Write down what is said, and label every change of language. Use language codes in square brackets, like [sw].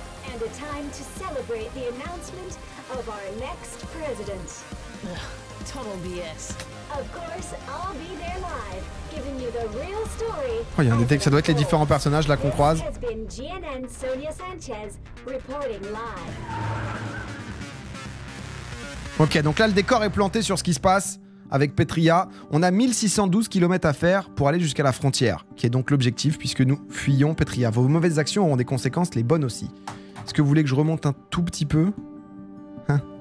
[en] And a time to celebrate the announcement of our next president. Total BS. Of course, I'll be there live, giving you the real story. [fr] Oh, il y a un détail, ça doit être les différents personnages là qu'on croise. [en] This has been GNN Sonia Sanchez reporting live. [fr] Ok, donc là le décor est planté sur ce qui se passe avec Petria. On a 1612 km à faire pour aller jusqu'à la frontière, qui est donc l'objectif puisque nous fuyons Petria. Vos mauvaises actions auront des conséquences, les bonnes aussi. Est-ce que vous voulez que je remonte un tout petit peu? Hein?